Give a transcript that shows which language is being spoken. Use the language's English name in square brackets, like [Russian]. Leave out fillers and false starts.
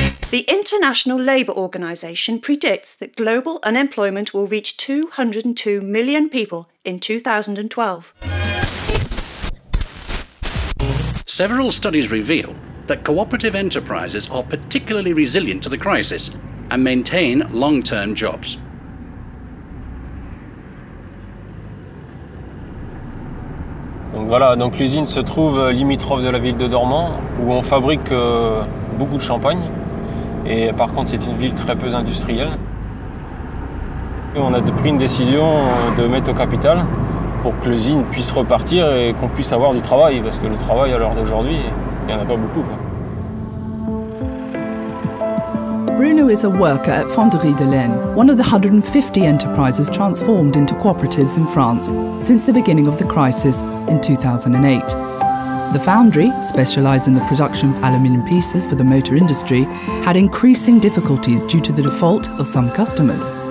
[English] The International Labour Organization predicts that global unemployment will reach 202 million people in 2012. Several studies reveal that cooperative enterprises are particularly resilient to the crisis and maintain long-term jobs. [French] Donc voilà, donc l'usine se trouve limitrophe de la ville de Dormans où on fabrique beaucoup de champagne. Et par contre, c'est une ville très peu industrielle. Et on a pris une décision de mettre au capital pour que l'usine puisse repartir et qu'on puisse avoir du travail, parce que le travail à l'heure d'aujourd'hui, il n'y en a pas beaucoup. [English] Bruno is a worker at Fonderie de Laine, one of the 150 enterprises transformed into cooperatives in France since the beginning of the crisis in 2008. The foundry, specialised in the production of aluminium pieces for the motor industry, had increasing difficulties due to the default of some customers.